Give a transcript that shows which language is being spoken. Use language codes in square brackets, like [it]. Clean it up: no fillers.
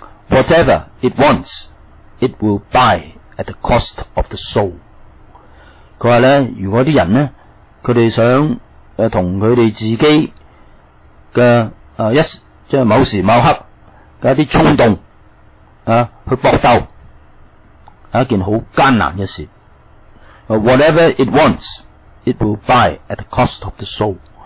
[en] Whatever it wants, it will buy at the cost of the soul. [zh] 他说呢，如果那些人呢，他们想跟他们自己的就是某时某刻的一些冲动去搏斗，是一件很艰难的事。 [en] Whatever it wants, it will buy at the cost of the soul.